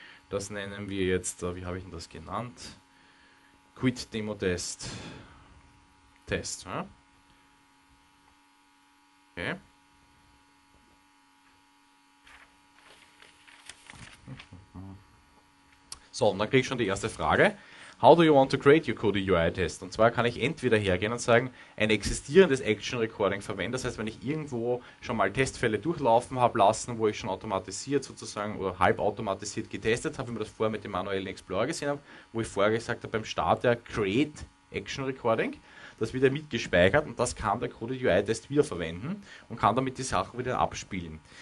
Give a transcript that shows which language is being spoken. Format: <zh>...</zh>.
<de>Das nennen wir jetzt, wie habe ich denn das genannt? Quit-Demo-Test-Test. Ja? Okay. So, und dann kriege ich schon die erste Frage.</de> <en>How do you want to create your Coded UI-Test?</en> <de>Und zwar kann ich entweder hergehen und sagen, ein existierendes Action-Recording verwenden. Das heißt, wenn ich irgendwo schon mal Testfälle durchlaufen habe lassen, wo ich schon automatisiert sozusagen oder halbautomatisiert getestet habe, wie man das vorher mit dem manuellen Explorer gesehen hat, wo ich vorher gesagt habe, beim Start der Create Action-Recording, das wird ja mitgespeichert und das kann der Coded UI-Test wiederverwenden und kann damit die Sachen wieder abspielen.</de>